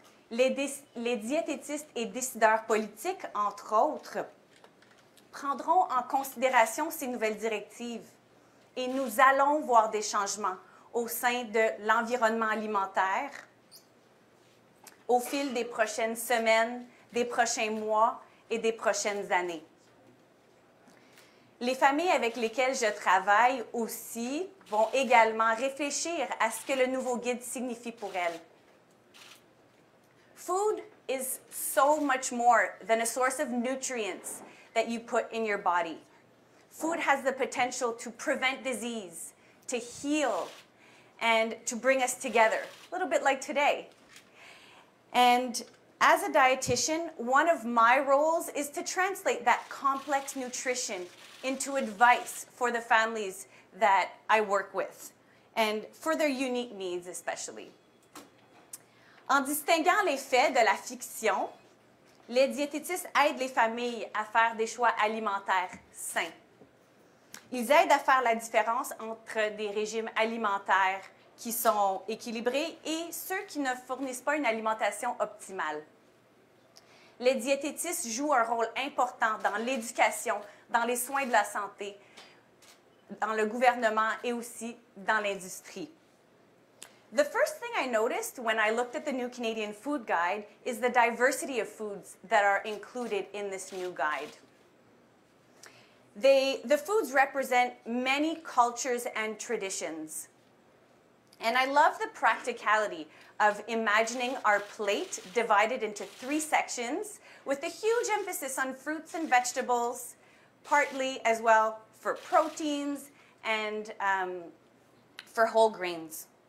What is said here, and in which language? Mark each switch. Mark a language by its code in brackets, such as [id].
[fr] Les diététistes et décideurs politiques, entre autres, prendront en considération ces nouvelles directives et nous allons voir des changements au sein de l'environnement alimentaire, au fil des prochaines semaines, des prochains mois et des prochaines années. Les familles avec lesquelles je travaille aussi vont également réfléchir à ce que le nouveau guide signifie pour elles. [en] Food is so much more than a source of nutrients that you put in your body. Food has the potential to prevent disease, to heal, and to bring us together, a little bit like today. And as a dietitian, one of my roles is to translate that complex nutrition into advice for the families that I work with, and for their unique needs especially. [fr] En distinguant les faits de la fiction, les diététistes aident les familles à faire des choix alimentaires sains. Ils aident à faire la différence entre des régimes alimentaires qui sont équilibrés et ceux qui ne fournissent pas une alimentation optimale. Les diététistes jouent un rôle important dans l'éducation, dans les soins de la santé, dans le gouvernement et aussi dans l'industrie. [en] The first thing I noticed when I looked at the new Canadian Food Guide is the diversity of foods that are included in this new guide. The foods represent many cultures and traditions. And I love the practicality of imagining our plate divided into three sections with a huge emphasis on fruits and vegetables, partly as well for proteins and for whole grains.